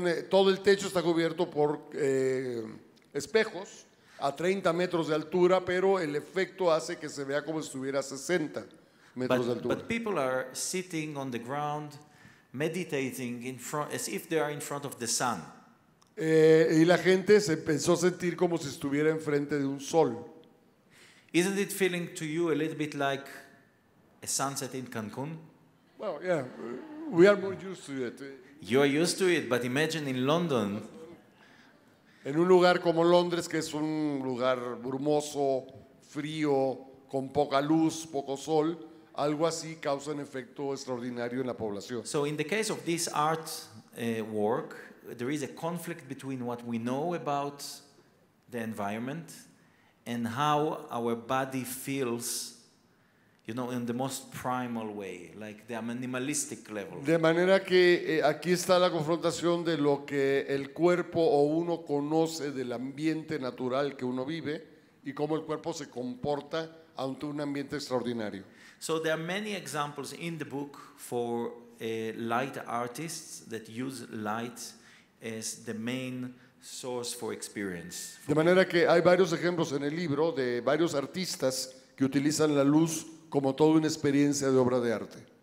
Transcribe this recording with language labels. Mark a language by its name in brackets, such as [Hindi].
[Spanish] Todo el techo está cubierto por espejos a 30 metros de altura, pero el efecto hace que se vea como si estuviera a 60 metros de altura. [English] But people are sitting on the ground, meditating in front, as if they are in front of the sun. [Spanish] Y la gente se empezó a sentir como si estuviera enfrente de un sol. [English] Isn't it feeling to you a little bit like a sunset in Cancun? Well, yeah, we are more used to it. You are used to it, but imagine in London. [Spanish] En un lugar como Londres, que es un lugar brumoso, frío, con poca luz, poco sol, algo así causa un efecto extraordinario en la población. [English] So in the case of this art work, there is a conflict between what we know about the environment and how our body feels, you know, in the most primal way, like the animalistic level. [Spanish] De manera que aquí está la confrontación de lo que el cuerpo o uno conoce del ambiente natural que uno vive y cómo el cuerpo se comporta ante un ambiente extraordinario. [English] So there are many examples in the book for light artists that use light as the main source for experience. [Spanish] De manera que hay varios ejemplos en el libro de varios artistas que utilizan la luz como toda una experiencia de obra de arte.